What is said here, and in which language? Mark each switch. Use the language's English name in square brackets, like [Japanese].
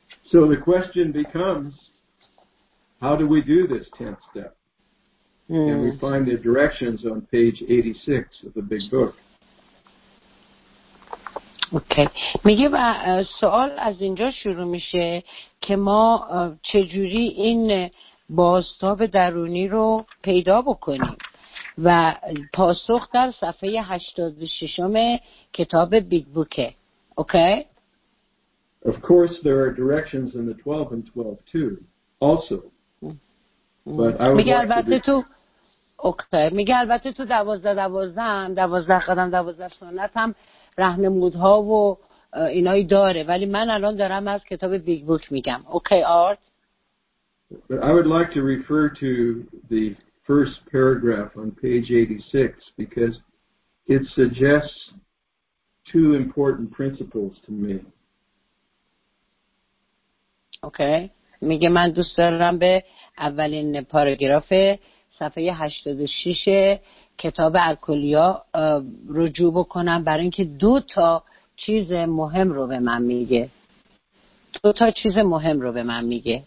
[English] So the question becomes, how do we do this 10th step? And we find the directions on page 86 of the big book. Okay. [Persian] میگه و سوال از اینجا شروع میشه که ما چجوری این بازتاب درونی رو پیدا بکنیم و پاسخ در صفحه 86 کتاب بیگ بوکه. اوکی؟ [English] Of course there are directions in the 12 and 12 too also. [Persian] میگه البته تو اوکی. میگه البته تو 12 12 هم 12 قدم 12 سنت هم راهنمودها و اینای داره، ولی من الان دارم از کتاب بیگ بوک میگم. [English] Okay Art. But I would like to refer to the first paragraph on page 86 because it suggests two important principles to me. Okay. [Persian] میگه من دوست دارم به اولین پاراگراف صفحه 86 کتاب الکلیا رجوع بکنم برای اینکه دو تا چیز مهم رو به من میگه.